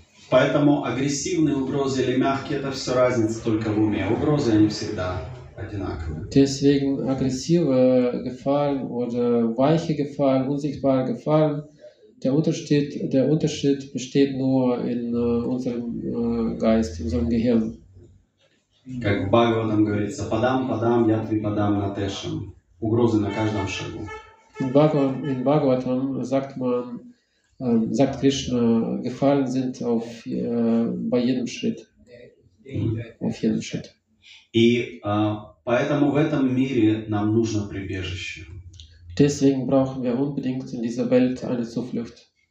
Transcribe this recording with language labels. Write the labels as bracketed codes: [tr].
[ru] Поэтому агрессивные угрозы или мягкие, это все разница только в уме. Угрозы они всегда. [de] Deswegen aggressive Gefahren oder weiche Gefahren, unsichtbare Gefahren, der Unterschied besteht nur in unserem Geist, in unserem Gehirn. [ru] Как в Бхагаватам говорится, падам, падам, ятви, падам, натешам. Угрозы на каждом шагу. [de] In Bhagavatam sagt man, sagt Krishna, Gefahren sind auf, bei jedem Schritt. Auf jedem Schritt. [ru] И поэтому в этом мире нам нужно прибежище. [de] Deswegen brauchen wir unbedingt in dieser Welt eine Zuflucht.